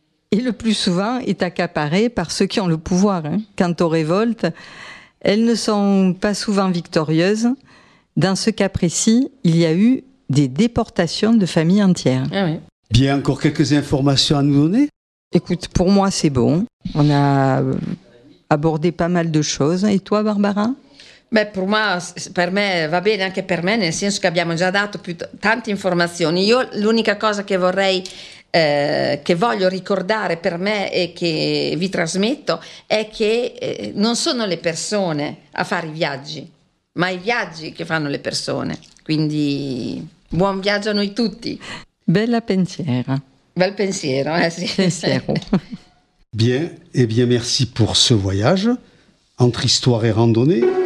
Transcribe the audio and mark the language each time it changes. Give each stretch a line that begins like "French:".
French: Et le plus souvent est accaparé par ceux qui ont le pouvoir. Quant aux révoltes, elles ne sont pas souvent victorieuses. Dans ce cas précis, il y a eu des déportations de familles entières. Ah oui. Bien, encore quelques informations à nous donner? Écoute, pour moi c'est bon. On a abordé pas mal de choses. Et toi, Barbara?
Italian: Beh, per me va bene, anche per me, nel senso che abbiamo già dato tante informazioni. Io l'unica cosa che vorrei, che voglio ricordare per me e che vi trasmetto è che non sono le persone a fare i viaggi, ma i viaggi che fanno le persone. Quindi buon viaggio a noi tutti. Bella pensiera. Bel pensiero, sì. Pensiero.
French: Bien, et bien merci pour ce voyage entre histoire et randonnée.